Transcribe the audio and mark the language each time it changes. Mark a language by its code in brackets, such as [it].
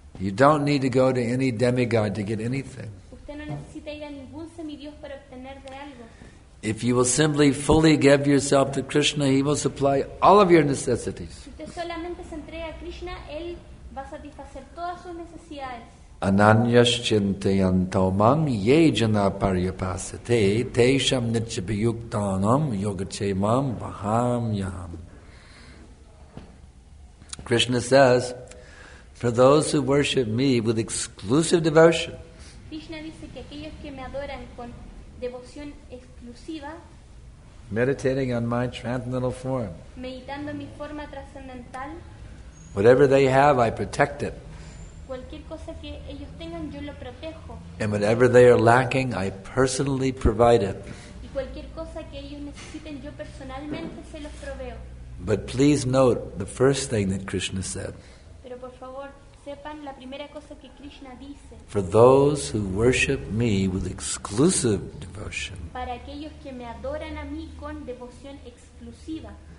[en] You don't need to go to any demigod to get anything. [es] Usted no necesita ir a ningún semidios para obtener de algo. [en] If you will simply fully give yourself to Krishna, he will supply all of your necessities. [es] Si usted solamente se entrega a Krishna, él va a satisfacer todas sus necesidades. [sa] Ananyaschintayantamam ye jana paryapasate tesham nichabhyuktanam yogachemam vaham yam. [en] Krishna says, for those who worship me with exclusive devotion, [es] Krishna dice que aquellos que me adoran con devoción exclusiva, [en] meditating on my transcendental form, [es] meditando en mi forma transcendental, [en] whatever they have, I protect it. [es] Cualquier cosa que ellos tengan, yo lo protejo. [en] And whatever they are lacking, I personally provide it. [es] Y cualquier cosa que ellos necesiten, yo personalmente se los proveo. [en] But please note the first thing that Krishna said. [es] Pero por favor, sepan la primera cosa que Krishna dice. [en] For those who worship me with exclusive devotion. [es] Para aquellos que me adoran a mí con devoción exclusiva.